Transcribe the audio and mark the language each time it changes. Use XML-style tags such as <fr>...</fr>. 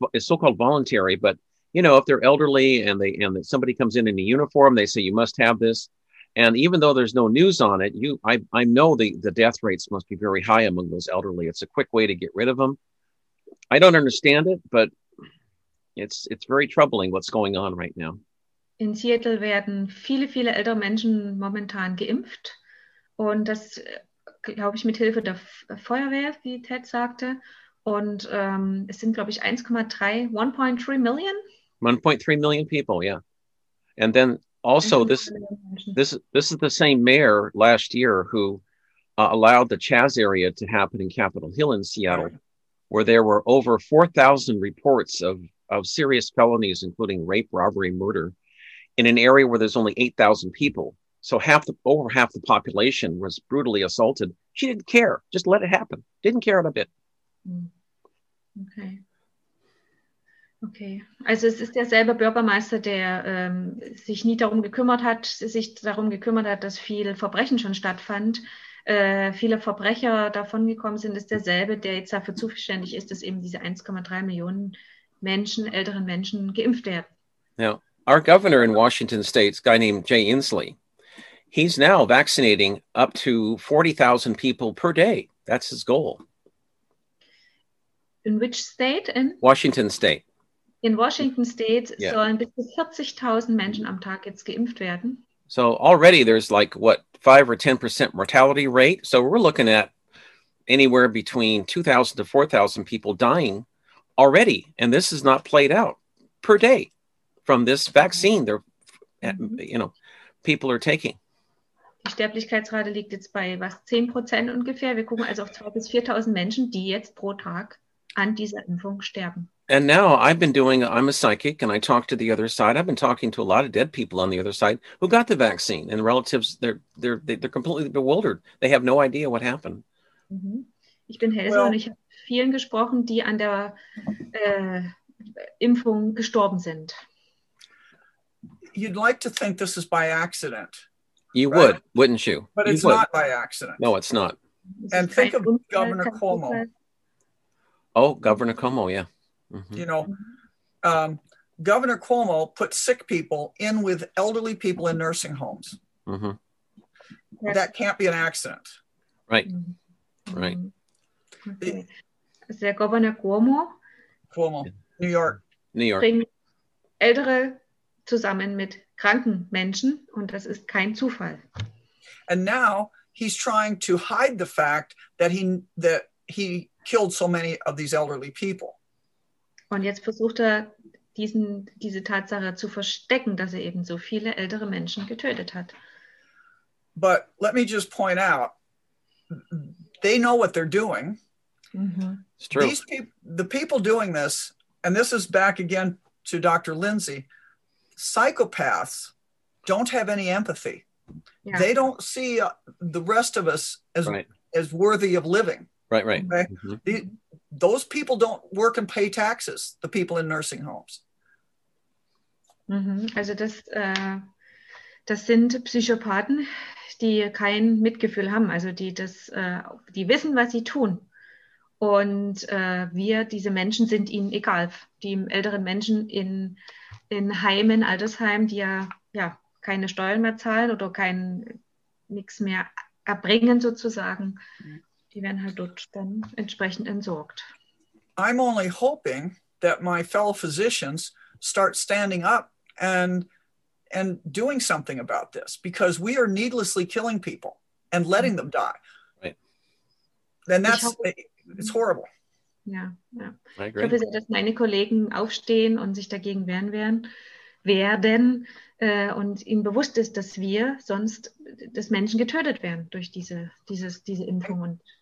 <en>It's so-called voluntary, but if they're elderly and somebody comes in a uniform, they say you must have this. And even though there's no news on it, I know the death rates must be very high among those elderly. It's a quick way to get rid of them. I don't understand it, but It's very troubling, what's going on right now.</en> <de>In Seattle werden viele, viele ältere Menschen momentan geimpft. Und das, glaube ich, mit Hilfe der Feuerwehr, wie Ted sagte. Und es sind, glaube ich, 1.3 million?</de> <en>1.3 million people, yeah. And then also, this is the same mayor last year who allowed the Chaz area to happen in Capitol Hill in Seattle, where there were over 4,000 reports of serious felonies, including rape, robbery, murder, in an area where there's only 8,000 people. So over half the population was brutally assaulted. She didn't care. Just let it happen. Didn't care a bit. Okay.</en> <de>Also es ist derselbe Bürgermeister, der sich darum gekümmert hat, dass viel Verbrechen schon stattfand, viele Verbrecher davongekommen sind, ist derselbe, der jetzt dafür zuständig ist, dass eben diese 1,3 Millionen Menschen, älteren Menschen, geimpft werden.</de> <en>Now, our governor in Washington State, a guy named Jay Inslee, he's now vaccinating up to 40,000 people per day. That's his goal. In which state? In Washington State.</en> <de>In Washington State sollen bis zu 40,000 Menschen am Tag jetzt geimpft werden.</de> <en>So already there's 5 or 10% mortality rate. So we're looking at anywhere between 2,000 to 4,000 people dying already. And this is not played out per day from this vaccine. They're, you know, people are taking.</en> <de>Die Sterblichkeitsrate liegt jetzt bei was 10% ungefähr. Wir gucken also auf 2 bis 4,000 Menschen, die jetzt pro Tag an dieser Impfung sterben.</de> <en>And now I've been doing, I'm a psychic and I talk to the other side. I've been talking to a lot of dead people on the other side who got the vaccine and relatives, they're completely bewildered. They have no idea what happened. Mm-hmm.</en> <de>Ich bin Helse und ich habe vielen gesprochen, die an der Impfung gestorben sind.</de> <en>You'd like to think this is by accident. You right? would, wouldn't you? But you it's would. Not by accident. No, it's not. And think of Governor Cuomo. Oh, Governor Cuomo, yeah. Mm-hmm. You know, Governor Cuomo put sick people in with elderly people in nursing homes. Mm-hmm. Yeah. That can't be an accident. Right, mm-hmm. right. Okay. Is that Governor Cuomo? Cuomo, New York. New York.</en> <de>Bringt Ältere zusammen mit kranken Menschen, und das ist kein Zufall.</de> <en>And now he's trying to hide the fact that he killed so many of these elderly people.</en> <de>Und jetzt versucht er, diese Tatsache zu verstecken, dass er eben so viele ältere Menschen getötet hat.</de> <en>But let me just point out, they know what they're doing. Mm-hmm. It's true. The people doing this, and this is back again to Dr. Lindsay, psychopaths don't have any empathy. Yeah. They don't see the rest of us as right. as worthy of living. Right, right. Okay? Mm-hmm. Those people don't work and pay taxes, the people in nursing homes. Mm-hmm.</en> <de>Also das sind Psychopathen, die kein Mitgefühl haben, also die wissen, was sie tun. Und wir, diese Menschen, sind ihnen egal. Die älteren Menschen in Heimen, Altersheimen, die ja keine Steuern mehr zahlen oder nichts mehr erbringen sozusagen, die werden halt dort dann entsprechend entsorgt.</de> <en>I'm only hoping that my fellow physicians start standing up and doing something about this, because we are needlessly killing people and letting them die. Right. And that's, it's horrible. Yeah. Yeah. I agree.</en> <de>Ich hoffe, dass meine Kollegen aufstehen und sich dagegen wehren werden und ihnen bewusst ist, dass wir sonst, dass Menschen getötet werden durch diese Impfung.</de>